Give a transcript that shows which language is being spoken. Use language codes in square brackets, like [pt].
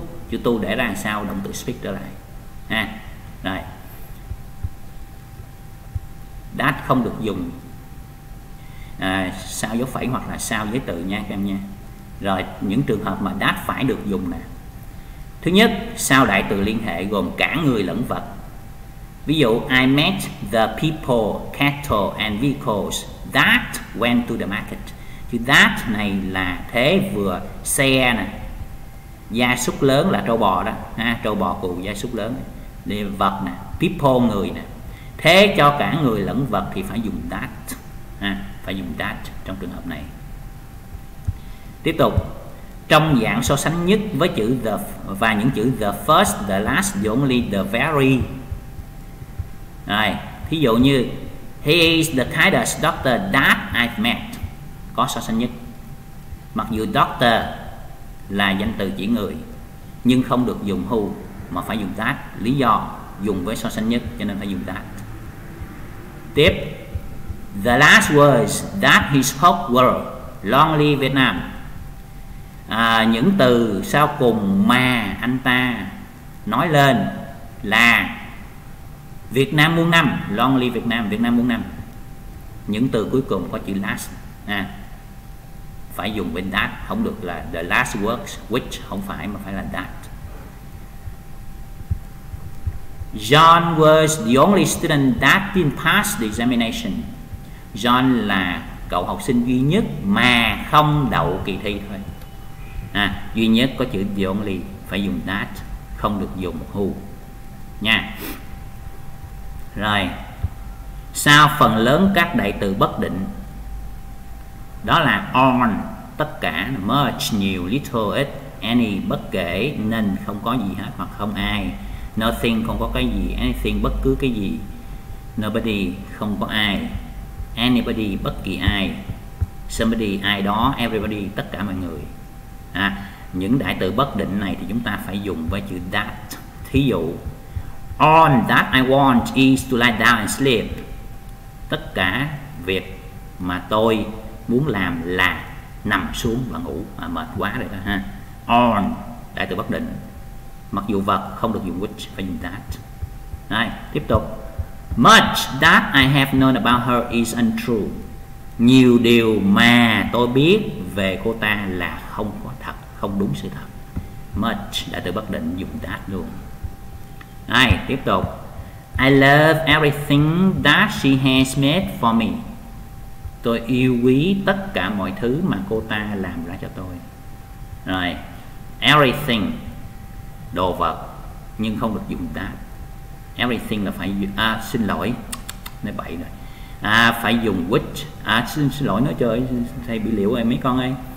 [vi] Chữ to để ra sao động từ speak trở lại ha. Rồi, that không được dùng sao dấu phẩy hoặc là sao giới từ nha các em nha. Rồi, những trường hợp mà that phải được dùng nè. Thứ nhất, sao đại từ liên hệ gồm cả người lẫn vật. Ví dụ, [en] I met the people, cattle and vehicles that went to the market. [vi] Chứ that này là thế vừa xe nè, gia súc lớn là trâu bò đó ha, trâu bò cùng gia súc lớn đi vật nè, people người nè, thế cho cả người lẫn vật thì phải dùng that ha, phải dùng that trong trường hợp này. Tiếp tục, trong dạng so sánh nhất với chữ the và những chữ the first, the last, the only, the very. Rồi, thí dụ như [en] he is the kindest doctor that I've met, [vi] có so sánh nhất. Mặc dù doctor là danh từ chỉ người nhưng không được dùng who mà phải dùng that, lý do dùng với so sánh nhất cho nên phải dùng that. Tiếp, [en] the last words that he spoke were long live Vietnam. [vi] Những từ sau cùng mà anh ta nói lên là Việt Nam muôn năm, [en] long live [vi] Việt Nam, Việt Nam muôn năm. Những từ cuối cùng có chữ last phải dùng bên that, không được là [en] the last words which, [vi] không phải, mà phải là that. [en] John was the only student that didn't pass the examination. [vi] John là cậu học sinh duy nhất mà không đậu kỳ thi thôi. Duy nhất có chữ the only, phải dùng that, không được dùng who nha. Rồi, sao phần lớn các đại từ bất định, đó là on, tất cả, much, nhiều, little, ít, any, bất kể, nên không có gì hết hoặc không ai, nothing, không có cái gì, anything, bất cứ cái gì, nobody, không có ai, anybody, bất kỳ ai, somebody, ai đó, everybody, tất cả mọi người. À, những đại từ bất định này thì chúng ta phải dùng với chữ that. Thí dụ, [en] all that I want is to lie down and sleep. [vi] Tất cả việc mà tôi muốn làm là nằm xuống và ngủ. À, mệt quá rồi đó ha. On, đại từ bất định. Mặc dù vật không được dùng which, phải dùng that. Đây, tiếp tục. [en] Much that I have known about her is untrue. [vi] Nhiều điều mà tôi biết về cô ta là không có thật, không đúng sự thật. Much, đại từ bất định, dùng that luôn. Đây, tiếp tục. [en] I love everything that she has made for me. [vi] Tôi yêu quý tất cả mọi thứ mà cô ta làm ra cho tôi. Rồi, everything, đồ vật, nhưng không được dùng that. Everything là phải, à xin lỗi, nói bậy rồi. À, phải dùng which, à xin lỗi nói chơi, thầy bị liệu rồi mấy con ơi.